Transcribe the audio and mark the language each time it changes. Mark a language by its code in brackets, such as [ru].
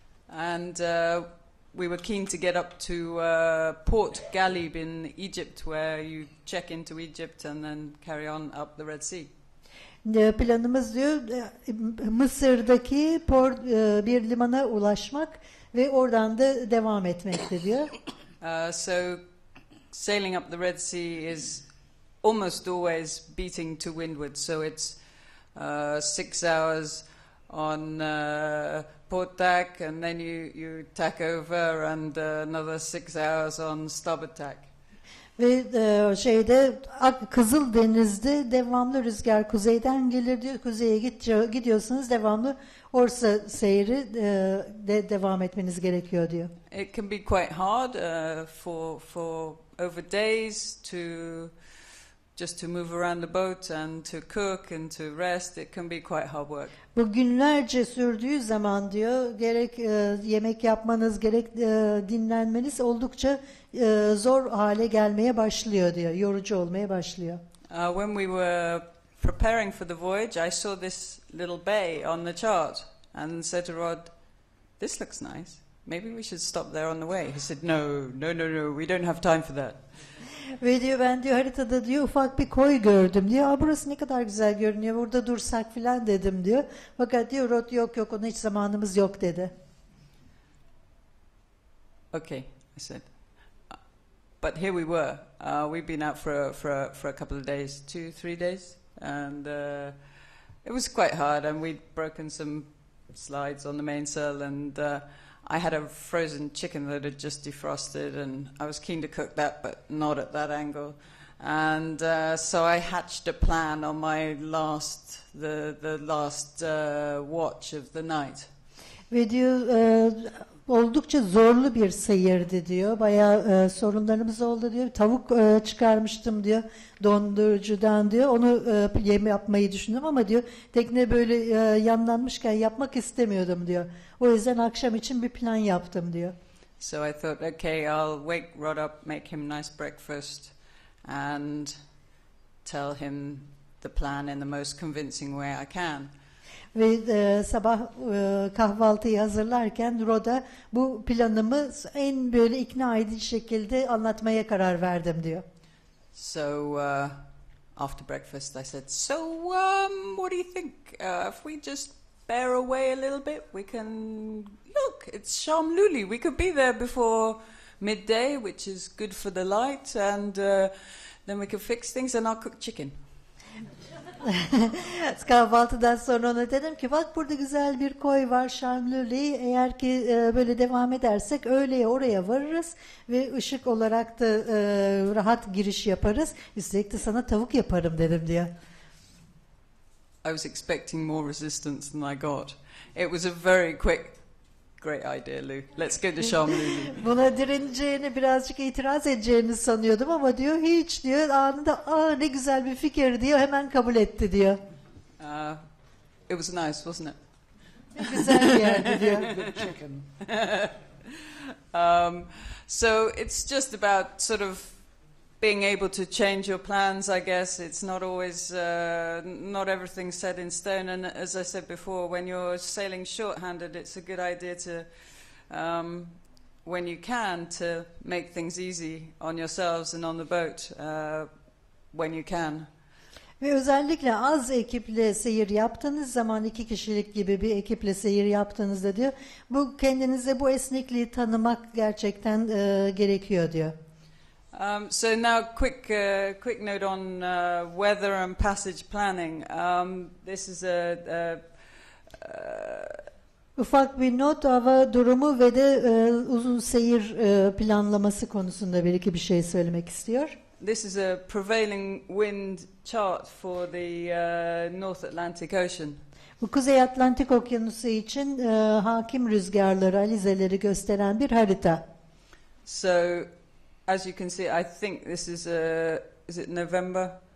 [en] And we were keen to get up to Port Galib in Egypt where you check into Egypt and then carry on up the Red Sea. [tr] Planımız diyor Mısır'daki port, bir limana ulaşmak ve oradan da devam etmekti diyor. [en] So sailing up the Red Sea is almost always beating to windward, so it's 6 hours on port tack, and then you tack over, and another 6 hours on starboard tack. [tr] Ve şeyde Kızıldeniz'de devamlı rüzgar kuzeyden gelir diyor. Kuzeye gidiyorsunuz, devamlı orsa seyri de devam etmeniz gerekiyor diyor. [en] It can be quite hard for over days to move around the boat and to cook and to rest. It can be quite hard work. [tr] Bu günlerce sürdüğü zaman diyor, gerek yemek yapmanız, gerek dinlenmeniz oldukça zor hale gelmeye başlıyor diyor, yorucu olmaya başlıyor. [en] When we were preparing for the voyage, I saw this little bay on the chart and said to Rod, "This looks nice. Maybe we should stop there on the way." He said, no, we don't have time for that. [tr] Ve diyor, ben diyor haritada diyor ufak bir koy gördüm diyor. Aa, burası ne kadar güzel görünüyor, burada dursak filan dedim diyor. Fakat diyor Rod, yok, ona hiç zamanımız yok dedi. [en] Okay, I said. But here we were. We've been out for a couple of days, 2-3 days. And it was quite hard and we'd broken some slides on the mainsail and I had a frozen chicken that had just defrosted and I was keen to cook that, but not at that angle. And so I hatched a plan on my last watch of the night. [tr] Ve diyor, oldukça zorlu bir seyirdi diyor. Bayağı sorunlarımız oldu diyor. Tavuk çıkarmıştım diyor, dondurucudan diyor. Onu yem yapmayı düşündüm ama diyor, tekne böyle yanlanmışken yapmak istemiyordum diyor. O yüzden akşam için bir plan yaptım diyor. [en] So I thought, okay, I'll wake Rod up, make him nice breakfast and tell him the plan in the most convincing way I can. [tr] Ve sabah kahvaltıyı hazırlarken Rod'a bu planımı en böyle ikna edici şekilde anlatmaya karar verdim diyor. [en] So after breakfast I said, so what do you think if we just bear away a little bit, we can look, it's Şamluli, we could be there before midday, which is good for the light, and then we could fix things and I'll cook chicken. [tr] Kahvaltıdan sonra ona dedim ki, bak burada güzel bir koy var Şamluli, eğer ki böyle devam edersek öğleye oraya varırız ve ışık olarak da rahat giriş yaparız, üstelik de sana tavuk yaparım dedim diyor. [en] I was expecting more resistance than I got. It was a very quick, great idea, Lou. Let's go to Şamluli. [tr] Buna direneceğini, birazcık itiraz edeceğini sanıyordum ama diyor hiç diyor, anında ne güzel bir fikir diyor, hemen kabul etti diyor. [en] It was nice, wasn't it? [tr] Güzel bir yerdi diyor. [en] So it's just about sort of being able to change your plans, I guess. It's not always, not everything set in stone. And as I said before, when you're sailing shorthanded, it's a good idea to, when you can, to make things easy on yourselves and on the boat, when you can. [tr] Ve özellikle az ekiple seyir yaptığınız zaman, iki kişilik gibi bir ekiple seyir yaptığınızda diyor, bu kendinize bu esnekliği tanımak gerçekten gerekiyor diyor. [en] So now quick note on weather and passage planning. This is [tr] ufak bir not hava durumu ve de uzun seyir planlaması konusunda bir iki bir şey söylemek istiyor. [en] This is a prevailing wind chart for the North Atlantic Ocean. [tr] Bu Kuzey Atlantik Okyanusu için hakim rüzgarları, alizeleri gösteren bir harita. [en] So as you can see, I think this is is it November?